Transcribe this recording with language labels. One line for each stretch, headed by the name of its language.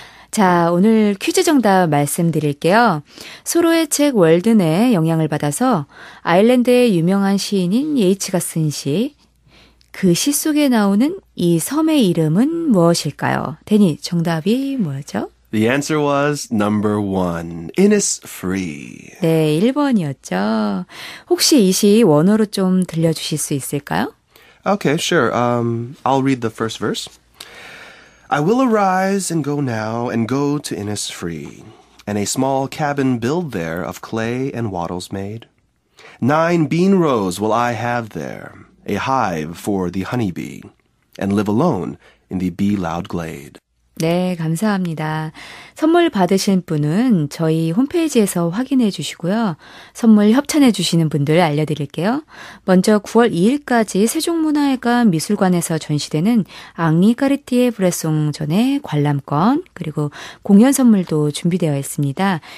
Korean: 자, 오늘 퀴즈 정답 말씀드릴게요. 소로의 책 월든에 영향을 받아서 아일랜드의 유명한 시인인 예이츠가 쓴 시, 그 시 속에 나오는 이 섬의 이름은 무엇일까요? 데니, 정답이 뭐였죠?
English: The answer was number one, Innisfree.
Korean: 네, 1번이었죠. 혹시 이 시 원어로 좀 들려주실 수 있을까요?
English: Okay, sure. I'll read the first verse. I will arise and go now and go to Innisfree, and a small cabin build there of clay and wattles made. 9 bean rows will I have there, a hive for the honeybee, and live alone in the bee-loud glade.
Korean: 네, 감사합니다. 선물 받으신 분은 저희 홈페이지에서 확인해 주시고요. 선물 협찬해 주시는 분들 알려드릴게요. 먼저 9월 2일까지 세종문화회관 미술관에서 전시되는 앙리 까르띠에 브레송전의 관람권, 그리고 공연 선물도 준비되어 있습니다.